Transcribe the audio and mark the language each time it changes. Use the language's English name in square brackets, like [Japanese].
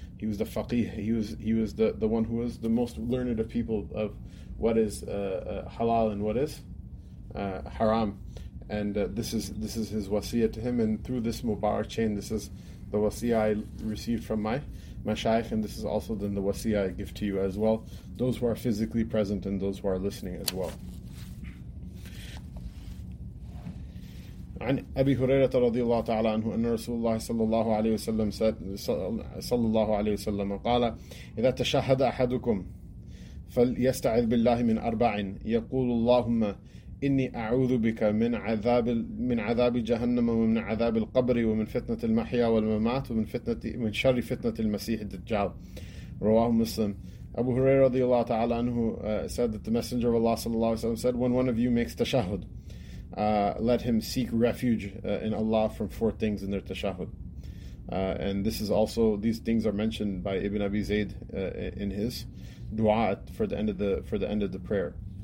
[English] He was the faqih, he was the one who was the most learned of people of what is halal and what is haram. And this is his wasiyah to him. And through this Mubarak chain, this is the wasiyah I received from my mashayikh. And this is also then the wasiyah I give to you as well, those who are physically present and those who are listening as well. [Arabic] عن أبي هريرة رضي الله تعالى عنه أن رسول الله صلى الله عليه وسلم صلى الله عليه وسلم قال إذا تشهد أحدكم فليستعذ بالله من أربع يقول اللهم إني أعوذ بك من عذاب جهنم ومن عذاب القبر ومن فتنة المحيا والممات ومن فتنة من شر فتنة المسيح الدجال رواه مسلم. [English] Abu Hurairah [Arabic] رضي الله تعالى عنه [English] said that the Messenger of Allah [Arabic] صلى الله عليه وسلم [English] said, when one of you makes tashahud, let him seek refuge in Allah from four things in their tashahud. And this is also, these things are mentioned by Ibn Abi Zayd in his dua for the end of the prayer.